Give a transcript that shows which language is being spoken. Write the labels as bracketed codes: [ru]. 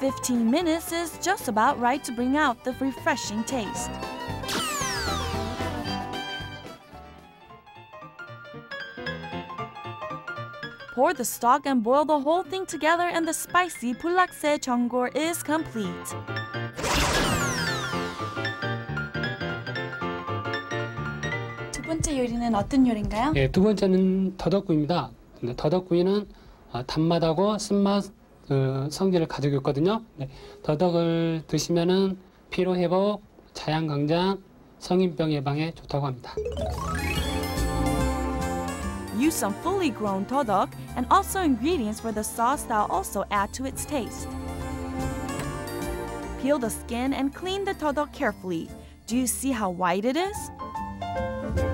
[en] Minutes is just about right to bring out the refreshing taste. Pour the stock and boil the whole thing together and the spicy 불락새 전골 is complete. Two [ko] 번째 요리는 어떤 요리인가요? 예, 두 번째는 더덕구이입니다. 근데 더덕구이는 단맛하고 쓴맛 그 성질을 가지고 있거든요. 네. 더덕을 드시면은 피로 회복, 자양 강장, 성인병 예방에 좋다고 합니다. [en] Use some fully grown 더덕 and also ingredients for the sauce that also add to its taste. Peel the skin and clean the 더덕 carefully. Do you see how white it is?